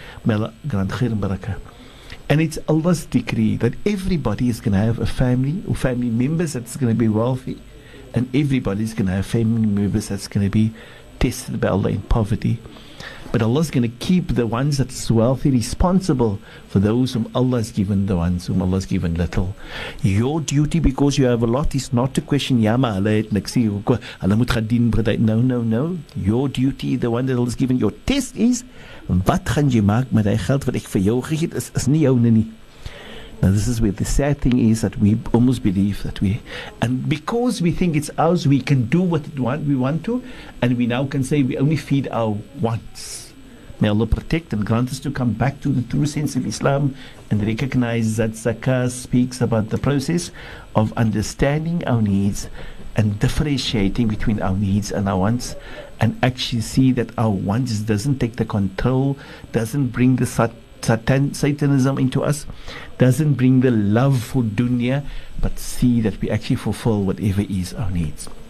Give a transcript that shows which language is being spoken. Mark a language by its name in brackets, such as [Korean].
[English] May Allah grant khair and barakah. And it's Allah's decree that everybody is going to have a family or family members that's going to be wealthy. And everybody's going to have family members that's going to be tested by Allah in poverty. But Allah's going to keep the ones that's wealthy responsible for those whom Allah has given, the ones whom Allah has given little. Your duty, because you have a lot, is not to question, No. Your duty, the one that Allah's given, your test is, [Afrikaans] wat gaan jy maak met die geld wat ek vir jou gegee het, is nie jou nie. [English] Now this is where the sad thing is, that we almost believe that we, and because we think it's ours, we can do what we want to, and we now can say we only feed our wants. May Allah protect and grant us to come back to the true sense of Islam and recognize that Zakah speaks about the process of understanding our needs and differentiating between our needs and our wants, and actually see that our wants doesn't take the control, doesn't bring the Satanism into us, doesn't bring the love for dunya, but see that we actually fulfill whatever is our needs.